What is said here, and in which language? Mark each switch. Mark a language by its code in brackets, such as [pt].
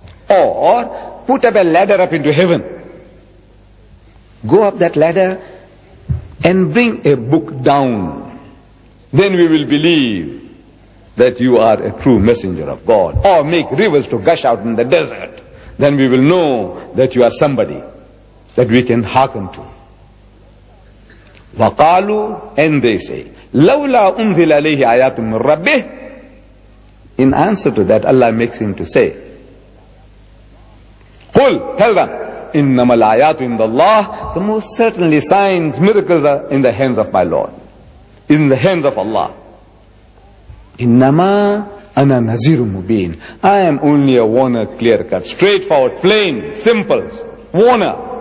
[en] Or put up a ladder up into heaven. Go up that ladder and bring a book down. Then we will believe that you are a true messenger of God. Or make rivers to gush out in the desert. Then we will know that you are somebody that we can hearken to. [ar] وَقَالُوا, [en] and they say, [ar] لَوْلَا أُنْزِلَ عَلَيْهِ آيَاتٌ مِّن رَبِّهِ. [en] In answer to that, Allah makes him to say, قُلْ, tell them, [ar] إِنَّمَا الْآيَاتُ عِنْدَ اللَّهِ. [en] So most certainly signs, miracles are in the hands of my Lord. Is in the hands of Allah. [ar] إِنَّمَا أَنَا نَزِيرٌ مُبِينٌ. [en] I am only a warner, clear cut, straightforward, plain, simple, warner.